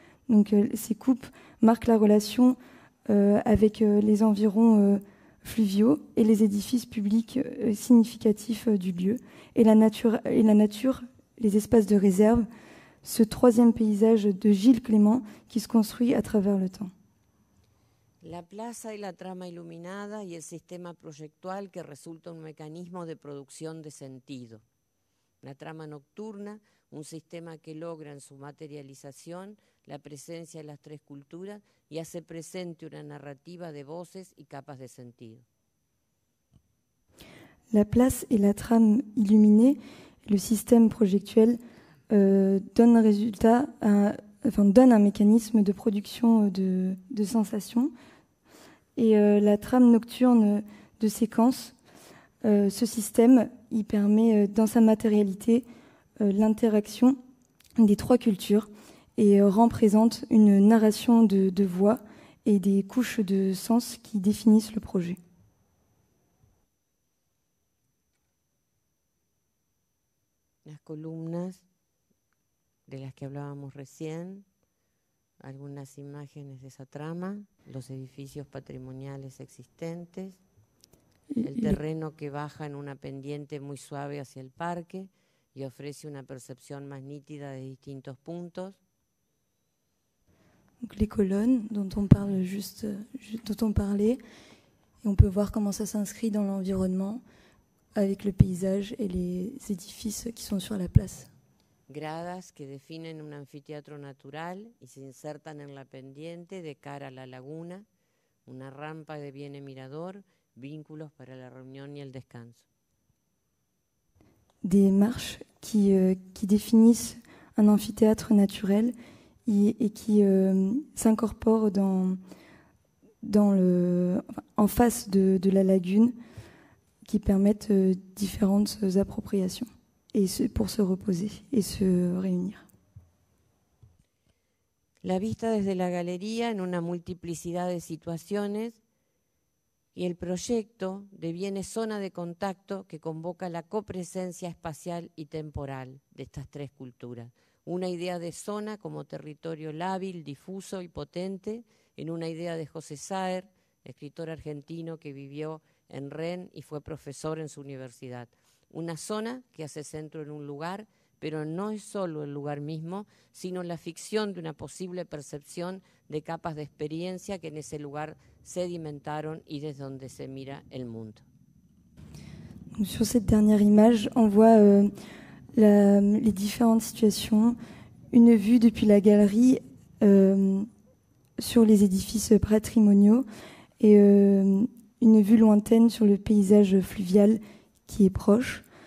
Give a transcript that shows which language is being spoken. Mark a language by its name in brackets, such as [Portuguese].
[French] Donc, ces coupes marquent la relation avec les environs fluviaux et les édifices publics significatifs du lieu. Et la nature, les espaces de réserve, ce troisième paysage de Gilles Clément qui se construit à travers le temps. [Spanish] La plaza et la trama iluminada y el sistema proyectual que resulta un mecanismo de producción de sentido. La trama nocturna, un sistema que logra en su materialización la presencia de las tres culturas y hace presente una narrativa de voces y capas de sentido. [French] La place et la trame illuminée, le système projectuel donne un mécanisme de production de sensations et la trame nocturne de séquence. Ce système, il permet dans sa matérialité l'interaction des trois cultures et rend présente une narration de voix et des couches de sens qui définissent le projet. [Spanish] Las columnas de las que hablábamos recién, algunas imágenes de esa trama, los edificios patrimoniales existentes, el terreno que baja en una pendiente muy suave hacia el parque y ofrece una percepción más nítida de distintos puntos. [French] Donc les colonnes dont on parle juste dont on parlait, et on peut voir comment ça s'inscrit dans l'environnement avec le paysage et les édifices qui sont sur la place. [Spanish] Gradas que definen un anfiteatro natural y se insertan en la pendiente de cara a la laguna, una rampa que viene mirador, vínculos para la reunión y el descanso. [French] Des marches qui définissent un [Spanish] anfiteatro natural [French] et qui s'incorpore en face de la lagune, qui permettent différentes appropriations. Et pour se reposer et se réunir. [Spanish] La vista desde la galería en una multiplicidad de situaciones y el proyecto deviene zona de contacto que convoca la copresencia espacial y temporal de estas tres culturas. Una idea de zona como territorio lábil, difuso y potente, en una idea de José Saer, escritor argentino que vivió en Rennes y fue profesor en su universidad. Una zona que hace centro en un lugar, pero no es solo el lugar mismo, sino la ficción de una posible percepción de capas de experiencia que en ese lugar sedimentaron y desde donde se mira el mundo. [French] Sur cette dernière image, on voit les différentes situations, une vue depuis la galerie sur les édifices patrimoniaux et une vue lointaine sur le paysage fluvial qui est proche.